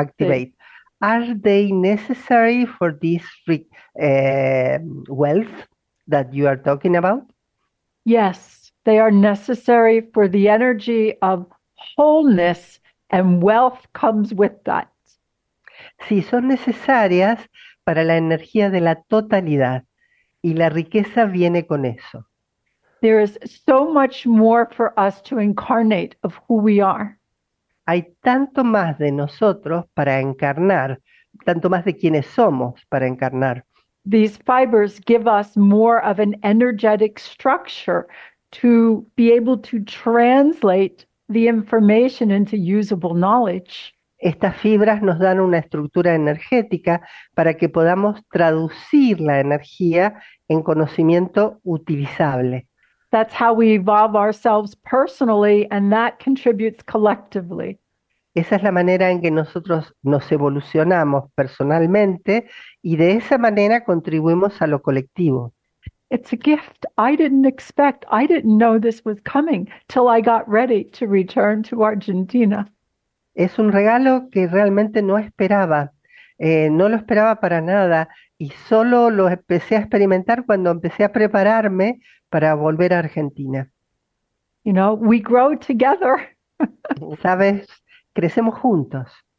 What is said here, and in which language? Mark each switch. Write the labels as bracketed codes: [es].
[en] activate, are they necessary for this wealth that you are talking about? Yes, they are necessary for the energy of wholeness, and wealth comes with that. [es] Sí, son necesarias para la energía de la totalidad y la riqueza viene con eso. [en] There is so much more for us to incarnate of who we are. [es] Hay tanto más de nosotros para encarnar, tanto más de quienes somos para encarnar. [en] These fibers give us more of an energetic structure to be able to translate the information into usable knowledge. [es] Estas fibras nos dan una estructura energética para que podamos traducir la energía en conocimiento utilizable. [en] That's how we evolve ourselves personally, and that contributes collectively. [es] Esa es la manera en que nosotros nos evolucionamos personalmente y de esa manera contribuimos a lo colectivo. [en] It's a gift I didn't expect. I didn't know this was coming till I got ready to return to Argentina. [es] Es un regalo que realmente no esperaba, no lo esperaba para nada y solo lo empecé a experimentar cuando empecé a prepararme para volver a Argentina. [en] You know, we grow together. [es] ¿Sabes? Crecemos juntos.